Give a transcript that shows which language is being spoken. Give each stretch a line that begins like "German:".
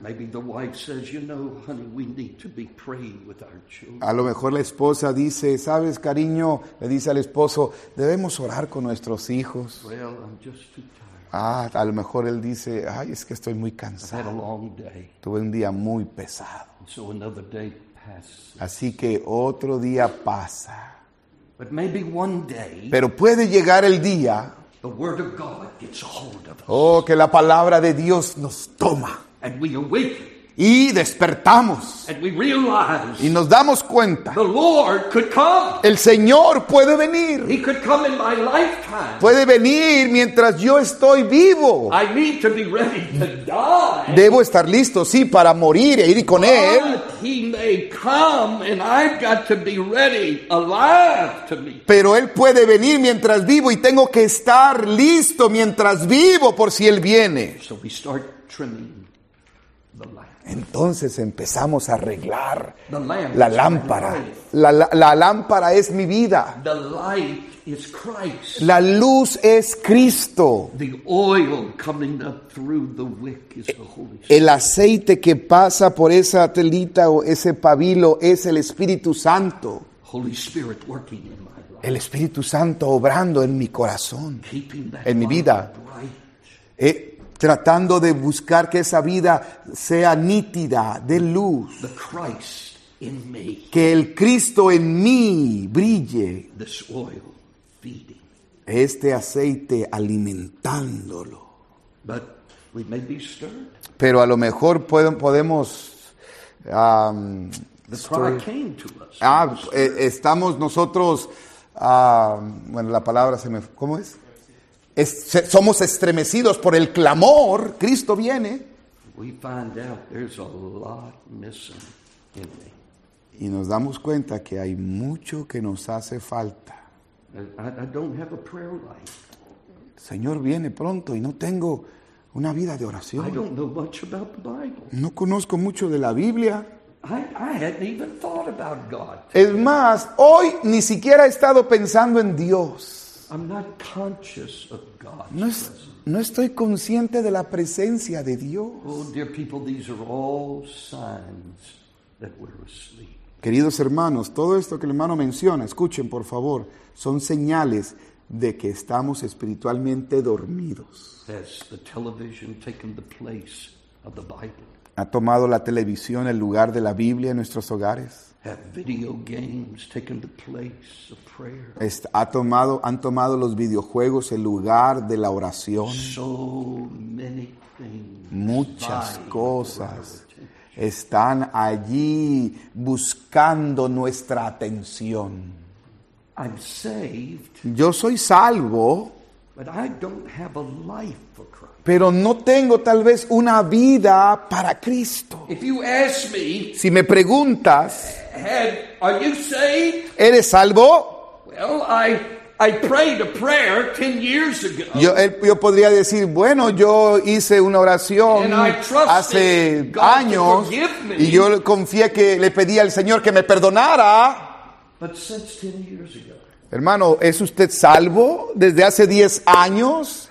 English: Maybe the wife says, you know, honey, we need to be praying with our children.
Spanish: A lo mejor la esposa dice, sabes, cariño, le dice al esposo, debemos orar con nuestros hijos.
English: Well, I'm just too tired.
Spanish: A lo mejor él dice, ay, es que estoy muy cansado. Tuve un día muy pesado.
English: So another day passes.
Spanish: Así que otro día pasa.
English: But maybe one day,
Spanish: pero puede llegar el día.
English: The word of God gets hold of us.
Spanish: Oh, que la palabra de Dios nos toma.
English: And we awaken.
Spanish: Y despertamos.
English: And we realize,
Spanish: y nos damos cuenta.
English: The Lord could come.
Spanish: El Señor puede venir.
English: He could come in my lifetime.
Spanish: Puede venir mientras yo estoy vivo.
English: I need to be ready to die.
Spanish: Debo estar listo, sí, para morir e ir con
English: but
Spanish: Él.
English: He may come and I've got to be ready, alive to meet.
Spanish: Pero Él puede venir mientras vivo y tengo que estar listo mientras vivo por si Él viene.
English: So we start trimming.
Spanish: Entonces empezamos a arreglar la lámpara. La lámpara es mi vida.
English: The light is Christ.
Spanish: La luz es Cristo.
English: The oil coming up through the wick is the Holy Spirit.
Spanish: El aceite que pasa por esa telita o ese pabilo es el Espíritu Santo.
English: Holy Spirit working in my life.
Spanish: El Espíritu Santo obrando en mi corazón,
English: keeping that
Spanish: en mi vida.
English: Bright.
Spanish: tratando de buscar que esa vida sea nítida, de luz.
English: The Christ in me.
Spanish: Que el Cristo en mí brille.
English: This oil feeding.
Spanish: Este aceite alimentándolo.
English: But we may be stirred.
Spanish: Pero a lo mejor podemos...
English: The cry came to us.
Spanish: Estamos nosotros... bueno, la palabra se me... ¿Cómo es? Somos estremecidos por el clamor. Cristo viene.
English: We find out there's a lot missing in me.
Spanish: Y nos damos cuenta que hay mucho que nos hace falta.
English: I don't have a prayer life.
Spanish: Señor viene pronto y no tengo una vida de oración.
English: I don't know much about the Bible.
Spanish: No conozco mucho de la Biblia.
English: I hadn't even thought about God.
Spanish: Es más, hoy ni siquiera he estado pensando en Dios.
English: I'm not conscious of God's presence.
Spanish: No estoy consciente de la presencia de Dios.
English: Oh, dear people, these are all signs that we're asleep.
Spanish: Queridos hermanos, todo esto que el hermano menciona, escuchen por favor, son señales de que estamos espiritualmente dormidos.
English: Has the television taken the place of the Bible?
Spanish: ¿Ha tomado la televisión el lugar de la Biblia en nuestros hogares?
English: Have video games taken the place of prayer?
Spanish: ¿Han tomado los videojuegos el lugar de la oración?
English: So many things.
Spanish: Muchas cosas están allí buscando nuestra atención.
English: I'm saved.
Spanish: Yo soy salvo.
English: But I don't have a life for Christ.
Spanish: Pero no tengo tal vez una vida para Cristo.
English: If you ask me,
Spanish: si me preguntas,
English: are you saved?
Spanish: ¿Eres salvo?
English: Well, I prayed a prayer 10 years ago.
Spanish: Yo podría decir, bueno, yo hice una oración hace años y yo confié que le pedí al Señor que me perdonara.
English: But since 10 years ago.
Spanish: Hermano, ¿es usted salvo desde hace 10 años?